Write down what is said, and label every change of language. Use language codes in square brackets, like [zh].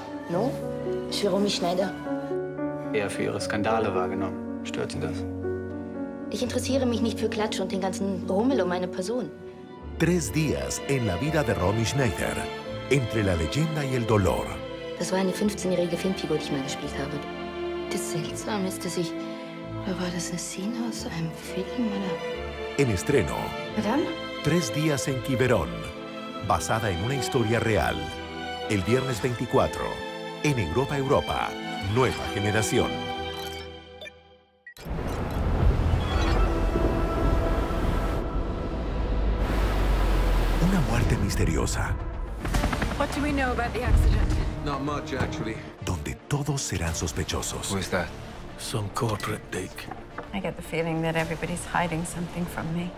[fr] Non, je suis Romy Schneider. [de] Eher für ihre Skandale wahrgenommen. Stört Sie das? Ich interessiere mich nicht für Klatsch und den ganzen Rummel um meine Person. [es] Tres días en la vida de Romy Schneider. Entre la leyenda y el dolor. [de] Das war eine 15-jährige Filmfigur, die ich mal gespielt habe. Das seltsam ist, dass ich... Oder war das eine Szene aus einem Film, oder? [es] En estreno. [fr] Madame? [es] Tres días en Quiberón, basada en una historia real. El viernes 24, en Europa Europa, nueva generación. Una muerte misteriosa. [en] What do we know about the accident? Not much, actually. [es] Donde todos serán sospechosos. [en] Who is that? Some corporate dick. I get the feeling that everybody's hiding something from me.